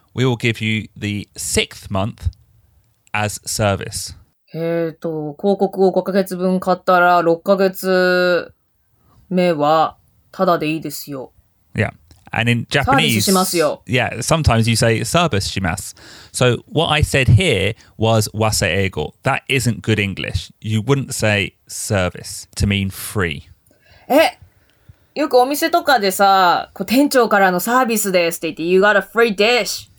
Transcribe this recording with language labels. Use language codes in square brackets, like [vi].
[en] We will give you the sixth month as service. [ja] 広告を5ヶ月分買ったら6ヶ月目はタダでいいですよ。 [en] Yeah. And in Japanese, [ja] サービスしますよ。 [en] Yeah, sometimes you say service します. So what I said here was wase eigo. That isn't good English. You wouldn't say service to mean free. [ja] え?よくお店とかでさ、こう店長からのサービスですって言って、 [en] You got a free dish!